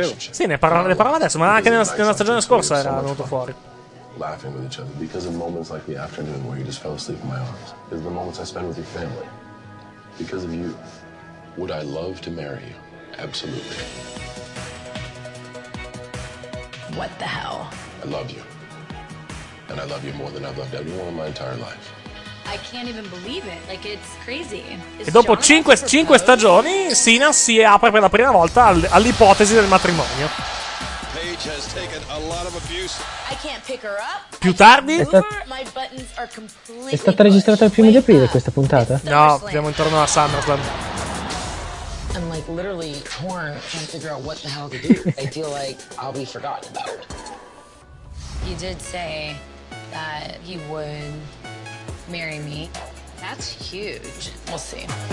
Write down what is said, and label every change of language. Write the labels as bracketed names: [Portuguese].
[Italian] sì, ne parlava adesso, ma anche nella stagione scorsa era venuto fuori. [English] Laughing with each other because of moments like the afternoon where you just fell asleep in my arms. Is the moments I spend with your family. Because of you. Would I love to marry you? Absolutely. What the hell? I love you. And I love you more than I've loved anyone in my entire life. I can't even believe it. Like it's crazy. [Italian] E dopo 5 stagioni, Cena si apre per la prima volta all'ipotesi del matrimonio. [English] Paige has taken a lot of abuse. I can't pick her up. [Italian] Più tardi è stata registrata il primo di aprile questa puntata? No, siamo intorno a SummerSlam. [English] I'm like literally torn trying to figure out what the hell to do. I feel like I'll be forgotten about. He did say that he would marry me. That's huge. We'll see.